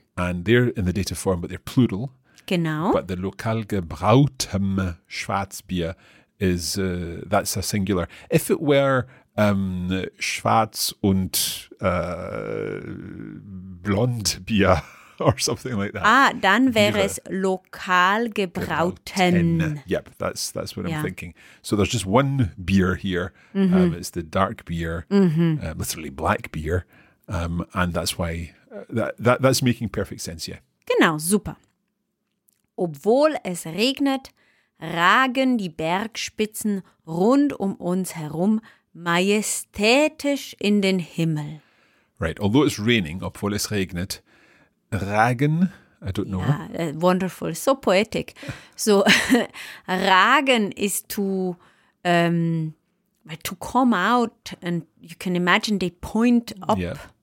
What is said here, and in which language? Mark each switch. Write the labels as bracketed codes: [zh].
[en] And they're in the dative form, but they're plural. [de] Genau. [en] But the [de] lokal gebrautem Schwarzbier [en] is, that's a singular. If it were Schwarz und Blond Bier or something like that. [de] Ah, dann wäre es lokal gebrauten. [en] Yep, that's what I'm thinking. So there's just one beer here. Mm-hmm. It's the dark beer, literally black beer. And that's why... That's making perfect sense, yeah. [de] Genau, super. Obwohl es regnet, ragen die Bergspitzen rund um uns herum majestätisch in den Himmel. [en] Right, although it's raining, [de] obwohl es regnet, ragen, [en] I don't know. Yeah, wonderful, so poetic. So, ragen is to come out and you can imagine they point up. Yep.